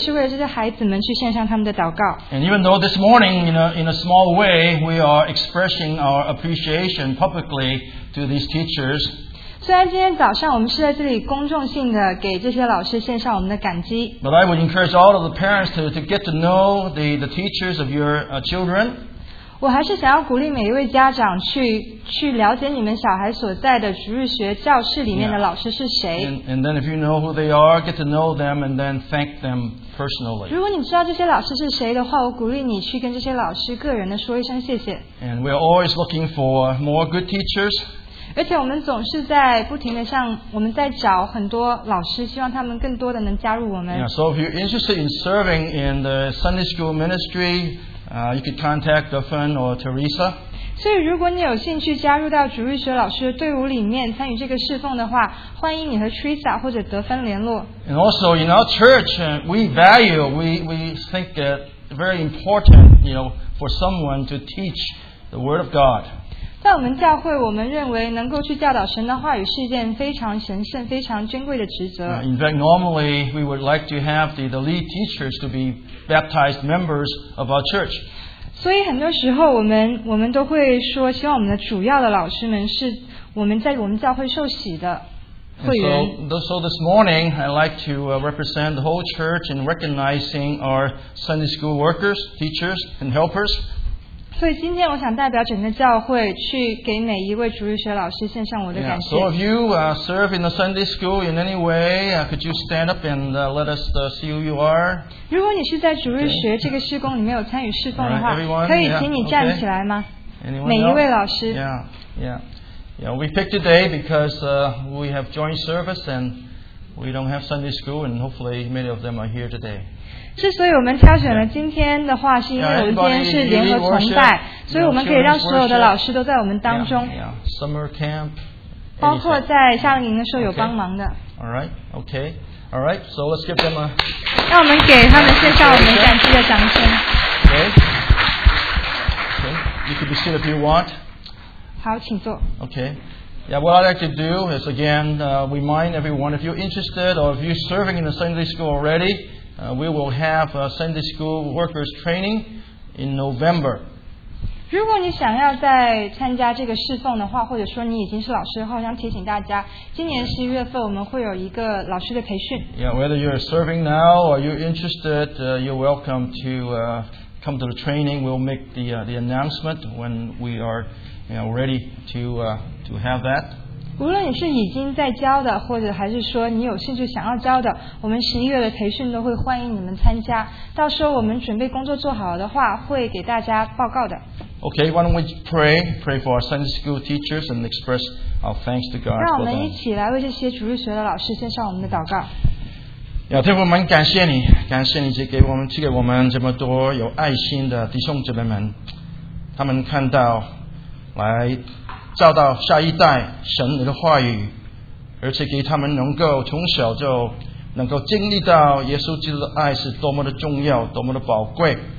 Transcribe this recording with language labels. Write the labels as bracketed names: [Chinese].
[Chinese] 所以这些老师们，他们投入很多的精力，很多的时间，不仅仅是为了准备他们的课程内容，很多时候也是为了这些孩子们去献上他们的祷告。And [English] even though this morning, in a small way, we are expressing our appreciation publicly to these teachers. [Chinese] 虽然今天早上我们是在这里公众性的给这些老师献上我们的感激。 [English] But I would encourage all of the parents to get to know the teachers of your children. [Chinese] 我还是想要鼓励每一位家长去了解你们小孩所在的主日学教室里面的老师是谁。 [English] And then if you know who they are, get to know them and then thank them personally. [Chinese] 如果你知道这些老师是谁的话，我鼓励你去跟这些老师个人的说一声谢谢。 [English] And we are always looking for more good teachers. [Chinese] 而且我们总是在不停地向我们在找很多老师，希望他们更多的能加入我们。 [English] Yeah, so if you're interested in serving in the Sunday school ministry, you could contact Duffin or Teresa. [Chinese] 所以如果你有兴趣加入到主日学老师的队伍里面参与这个侍奉的话，欢迎你和 Teresa 或者德芬联络。 [English] And also in our church we value, we think it very important, you know, for someone to teach the word of God. [Chinese] 在我们教会我们认为能够去教导神的话语是一件非常神圣非常珍贵的职责。 [English] In fact, normally we would like to have the lead teachers to be baptized members of our church. [Chinese] 所以很多时候我们都会说希望我们的主要的老师们是我们在我们教会受洗的会员。 [English] So this morning I'd like to represent the whole church in recognizing our Sunday school workers, teachers and helpers. [Chinese] 所以今天我想代表整个教会去给每一位主日学老师献上我的感谢。 [English] Yeah, so if you serve in the Sunday school in any way, could you stand up and let us see who you are? [Chinese] 如果你是在主日学这个事工里面有参与侍奉的话 [English] right, [Chinese] 可以请你站起来吗 [English] yeah,、okay. [Chinese] 每一位老师 [English] Yeah, we picked today because we have joint service and we don't have Sunday school and hopefully many of them are here today. [Chinese] 之所以我们挑选了今天的话是因为我们今天是联合崇拜所以我们可以让所有的老师都在我们当中 [English] Summer camp [Chinese] 包括在夏令营的时候有帮忙的 [English] Alright, okay. Alright, so let's give them a [Chinese] 让我们给他们献上我们感激的掌声 [English] Okay, you can be seated if you want. [Chinese] 好，请坐。 [English] Okay. Yeah, what I'd like to do is again remind everyone if you're interested or if you're serving in the Sunday school already, we will have a Sunday school workers training in November. [Chinese] 如果你想要再参加这个侍奉的话，或者说你已经是老师的话，我想提醒大家，今年十一月份我们会有一个老师的培训。 [English] Yeah, whether you're serving now or you're interested, you're welcome to come to the training. We'll make the announcement when we are. Yeah, ready to have that. [Chinese] 无论你是已经在教的，或者还是说你有兴趣想要教的，我们十一月的培训都会欢迎你们参加。到时候我们准备工作做好的话，会给大家报告的。 [English] Okay, why don't we pray for our Sunday school teachers and express our thanks to God for them. [Chinese] 让我们一起来为这些主日学的老师献上我们的祷告。 Yeah, 天父，我们感谢你，感谢你赐给我们这么多有爱心的弟兄姊妹们，他们看到。来教导下一代神你的话语而且给他们能够从小就能够经历到耶稣基督的爱是多么的重要多么的宝贵